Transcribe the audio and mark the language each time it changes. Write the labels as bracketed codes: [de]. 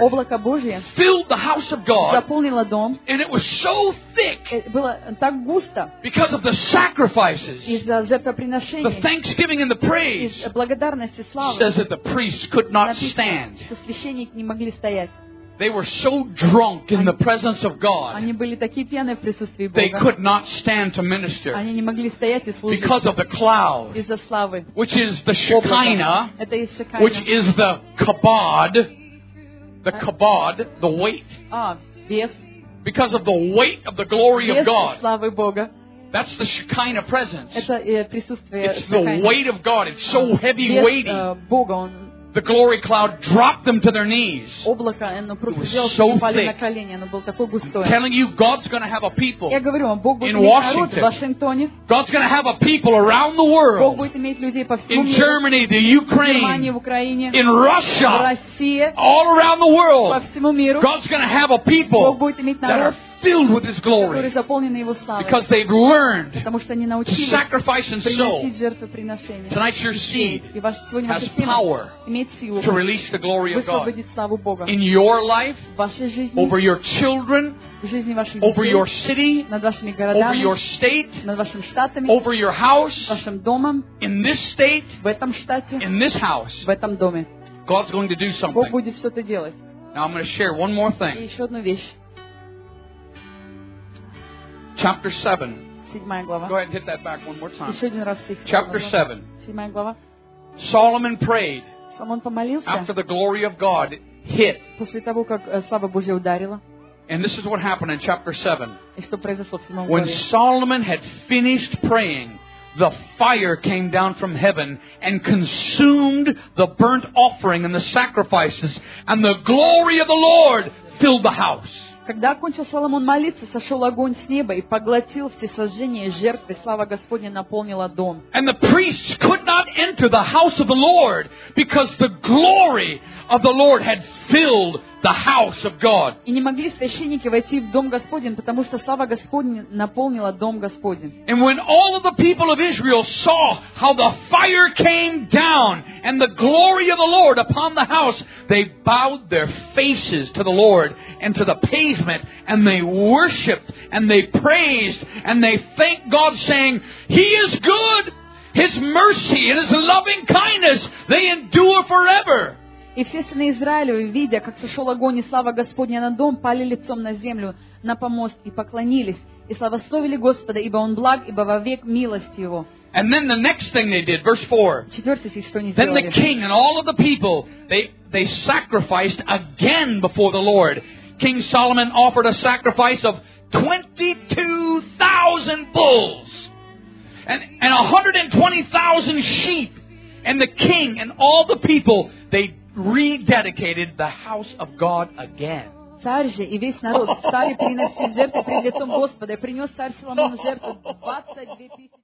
[ru] облако Божие, [en] filled the house of God, [ru] заполнило дом, [en] and it was so thick, [ru] было так густо, [en] because of the sacrifices, [ru] из-за жертвоприношений, [en] the thanksgiving and the praise, [ru] из-за благодарности и славы, [en] says that the priests could not stand. [ru] Написано, что священники не могли стоять. [en] They were so drunk in the presence of God. [ru] Они были такие пьяные в присутствии Бога. [en] They could not stand to minister. [ru] Они не могли стоять и служить. [en] Because of the cloud. [ru] Из-за славы. [en] Which is the Shekinah. [ru] Это из Шекайна. [en] Which is the kabod. The kabod, the weight. [ru] А, вес. [en] Because of the weight of the glory of God. [ru] Вес славы Бога. [en] That's the Shekinah presence. [ru] Это присутствие. [en] It's the weight of God. It's so heavy weighty. [ru] Вес Бога, он. [en] The glory cloud dropped them to their knees. [ru] Облако, оно просто взяло, [en] so [ru] упали на колени, оно было такое густое. [en] I'm telling you, God's going to have a people. [ru] Я говорю вам, Бог будет [en] in Washington. [ru] В Вашингтоне. [en] God's going to have a people around the world. [ru] Бог будет иметь людей по всему [en] in [ru] миру. [en] Germany, the Ukraine. [ru] В Германии, в Украине. [en] In Russia. [ru] В России. [en] All around the world. [ru] По всему миру. [en] God's going to have a people. [ru] Бог будет иметь народ. [en] That are filled with His glory. [ru] Которые заполнены Его славой. [en] Because they've learned. [ru] Потому что они научились. [en] To sacrifice and sow. [ru] Приносить жертвоприношения. [en] Tonight your seed. [ru] И ваш сегодня [en] has power. To release the glory of God in your life, over your children, over your city, over your state, over your house, in this state, in this house, God's going to do something. Now I'm going to share one more thing. Chapter 7. Go ahead and hit that back one more time. Chapter 7. Solomon prayed. After the glory of God hit. [ru] После того, как слава Божья ударила. [en] And this is what happened in chapter 7. [ru] И что произошло в 7 главе. [en] When Solomon had finished praying, the fire came down from heaven and consumed the burnt offering and the sacrifices, and the glory of the Lord filled the house. [ru] Когда окончил Соломон молиться, сошел огонь с неба и поглотил все сожжения и жертвы. Слава Господня наполнила дом. [en] And the priests could not enter the house of the Lord because the glory of the Lord had filled the house of God. [ru] И не могли священники войти в дом Господень, потому что слава Господня наполнила дом Господень. [en] And when all of the people of Israel saw how the fire came down and the glory of the Lord upon the house, they bowed their faces to the Lord and to the pavement, and they worshipped and they praised and they thanked God, saying, He is good, His mercy and His loving kindness they endure forever. [ru] И все сыны Израиля, видя, как сошел огонь и слава Господня на дом, пали лицом на землю, на помост и поклонились, и славословили Господа, ибо Он благ, ибо вовек милость Его. [en] And then the next thing they did, verse 4. Then the king and all of the people, they sacrificed again before the Lord. King Solomon offered a sacrifice of 22,000 bulls and 120,000 sheep. And the king and all the people, they rededicated the house of God again. [ru] Царь же и весь народ стали приносить жертвы пред лицом Господа, и принес царь Соломон жертву 22 000.